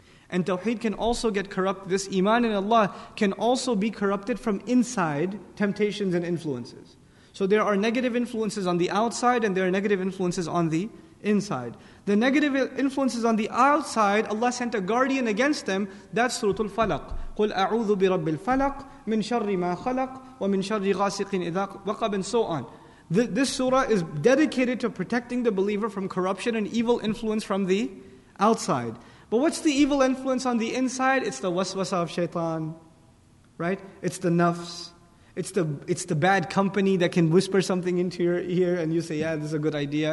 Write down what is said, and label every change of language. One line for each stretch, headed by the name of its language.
English: And Tawheed can also get corrupted. This Iman in Allah can also be corrupted from inside temptations and influences. So there are negative influences on the outside and there are negative influences on the inside. The negative influences on the outside, Allah sent a guardian against them. That's Suratul Falaq.
Arabic: قُلْ أَعُوذُ بِرَبِّ الْفَلَقْ مِنْ شَرِّ مَا خَلَقْ وَمِنْ شَرِّ غَاسِقٍ إِذَا وَقَبْ,
English: and so on. This surah is dedicated to protecting the believer from corruption and evil influence from the outside. But what's the evil influence on the inside? It's the waswasa of shaitan, right? It's the nafs. It's the bad company that can whisper something into your ear and you say, yeah, this is a good idea.